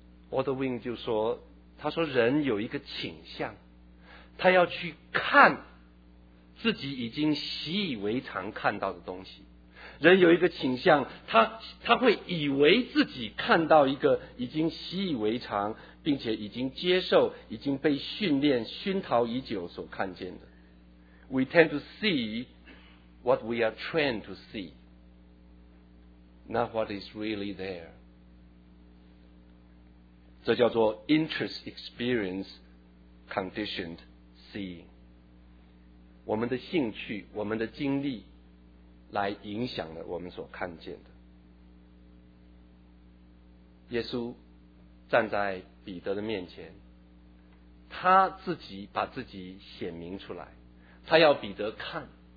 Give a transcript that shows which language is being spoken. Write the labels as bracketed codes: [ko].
[zh] Waterwing 就说，他说人有一个倾向，他要去看自己已经习以为常看到的东西。人有一个倾向，他会以为自己看到一个已经习以为常并且已经接受已经被训练熏陶已久所看见的。 [en] We tend to seeWhat we are trained to see, not what is really there. [zh] 这叫做 [en] interest experience conditioned seeing. [zh] 我们的兴趣，我们的经历，来影响了我们所看见的。耶稣站在彼得的面前，他自己把自己显明出来，他要彼得看。